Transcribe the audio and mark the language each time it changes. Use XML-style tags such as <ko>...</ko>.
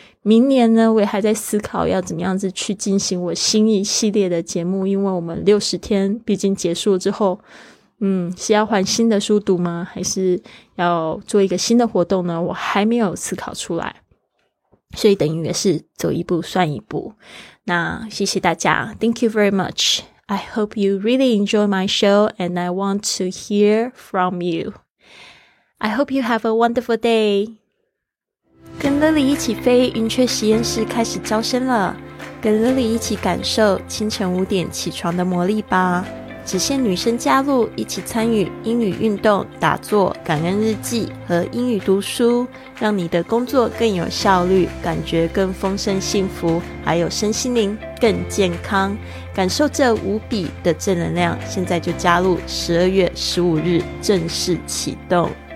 <zh>明年呢，我也还在思考要怎么样子去进行我新一系列的节目，因为我们60天毕竟结束之后，是要换新的书读吗？还是要做一个新的活动呢？我还没有思考出来，所以等于也是走一步算一步。那谢谢大家</zh> <en>，Thank you very much. I hope you really enjoy my show, and I want to hear from you. I hope you have a wonderful day.</en> <zh>跟 Lily 一起飞，云雀实验室开始招生了。跟 Lily 一起感受清晨五点起床的魔力吧。只限女生加入，一起参与英语运动、打坐、感恩日记和英语读书，让你的工作更有效率，感觉更丰盛幸福，还有身心灵更健康，感受这无比的正能量。现在就加入，12月15日正式启动。</zh>